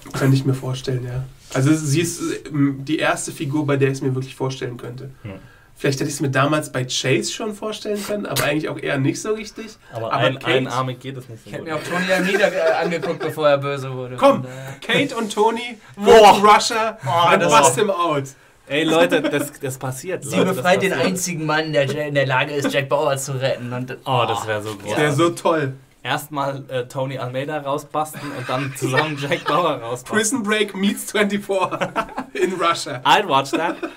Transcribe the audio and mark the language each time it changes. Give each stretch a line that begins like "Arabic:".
German: Könnte ich mir vorstellen, ja. Also sie ist die erste Figur, bei der ich es mir wirklich vorstellen könnte. Vielleicht hätte ich es mir damals bei Chase schon vorstellen können, aber eigentlich auch eher nicht so richtig. Aber einarmig geht es nicht so gut. Ich hätte mir auch Tony Almeida angeguckt, bevor er böse wurde. Komm, Kate und Tony, boah.
English: Russia, dann bust him out.
German: Ey Leute, das passiert. Sie befreit den einzigen Mann, der in der Lage ist, Jack Bauer zu retten. Und, oh, das wäre so groß. Das wäre so toll. Erstmal Tony Almeida rausbasten und dann zusammen Jack Bauer rausbasten.
English: Prison Break meets 24 in Russia. I'd watch that.